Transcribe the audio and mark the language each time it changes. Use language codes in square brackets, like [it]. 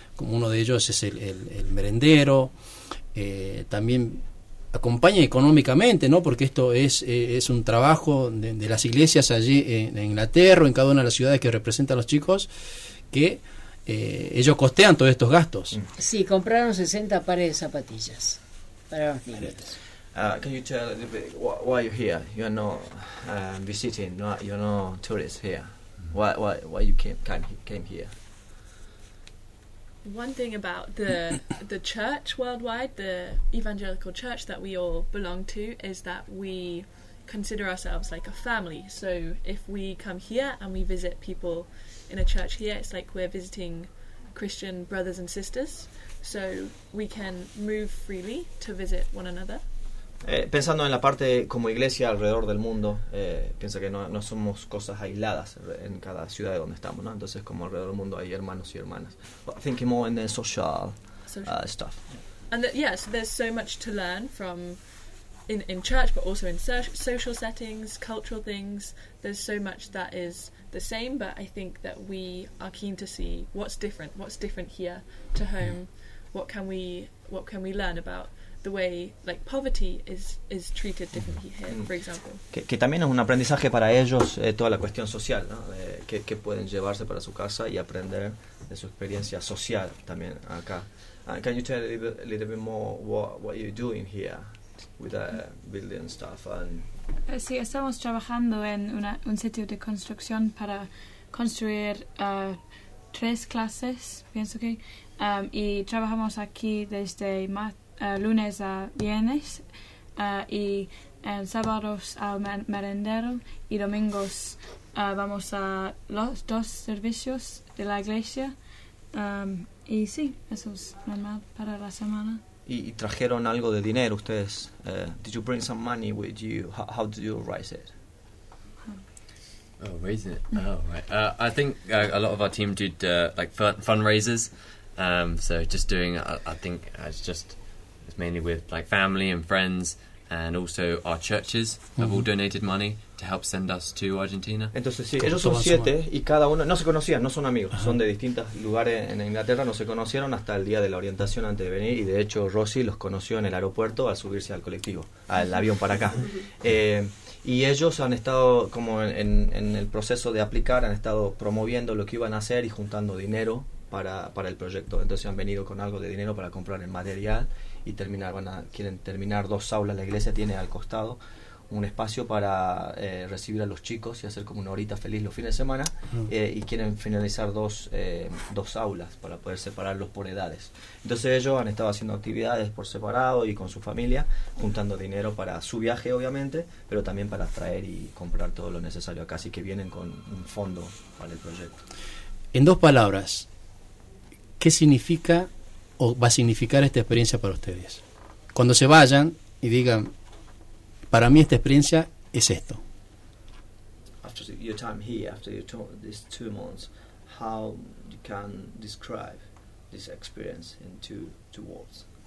[es] Uno de ellos es el merendero, también acompaña económicamente, ¿no? Porque esto es un trabajo de las iglesias allí en Inglaterra, en cada una de las ciudades que representan los chicos, que ellos costean todos estos gastos. Sí, compraron 60 pares de zapatillas para los niños. [en] Can you tell a little bit why you're here? You're not visiting, you're not tourists here. Why you came here? One thing about the church worldwide, the evangelical church that we all belong to, is that we consider ourselves like a family. So if we come here and we visit people in a church here, it's like we're visiting Christian brothers and sisters. So we can move freely to visit one another. [es] Pensando en la parte como iglesia alrededor del mundo, pienso que no somos cosas aisladas en cada ciudad donde estamos, ¿no? Entonces como alrededor del mundo hay hermanos y hermanas. [en] But thinking more in the social stuff. And so there's so much to learn from in church, but also in social settings, cultural things. There's so much that is the same, but I think that we are keen to see what's different. What's different here to home? What can we learn about the way like poverty is treated differently here, for example. [es] Que también es un aprendizaje para ellos, toda la cuestión social, ¿no? Que pueden llevarse para su casa y aprender de su experiencia social también acá. [en] Can you tell a little bit more what you're doing here with the building stuff? [es] Sí, estamos trabajando en un sitio de construcción para construir 3 clases, pienso que, y trabajamos aquí desde lunes a viernes y en sábados al merendero y domingos vamos a los dos servicios de la iglesia. Y sí, eso es normal para la semana. ¿Y trajeron algo de dinero ustedes? [en] Did you bring some money with you? How did you raise it? Oh, raise it. Oh, right. I think a lot of our team did like fundraisers. So just doing, I think it's mainly with like family and friends, and also our churches have all donated money to help send us to Argentina. [es] Entonces sí, ellos son siete y cada uno no se conocían, no son amigos, son de distintos lugares en Inglaterra, no se conocieron hasta el día de la orientación antes de venir, y de hecho Rosy los conoció en el aeropuerto al subirse al colectivo, al avión para acá. Y ellos han estado como en el proceso de aplicar, han estado promoviendo lo que iban a hacer y juntando dinero para el proyecto. Entonces han venido con algo de dinero para comprar el material y terminar, quieren terminar dos aulas. La iglesia tiene al costado un espacio para recibir a los chicos y hacer como una horita feliz los fines de semana. Uh-huh. Y quieren finalizar dos aulas para poder separarlos por edades. Entonces ellos han estado haciendo actividades por separado y con su familia, juntando dinero para su viaje, obviamente, pero también para traer y comprar todo lo necesario acá. Así que vienen con un fondo para el proyecto. En dos palabras, ¿qué significa o va a significar esta experiencia para ustedes? Cuando se vayan y digan, para mí esta experiencia es esto. [en] After your time here, after your these 2 months, how you can describe this experience in two words?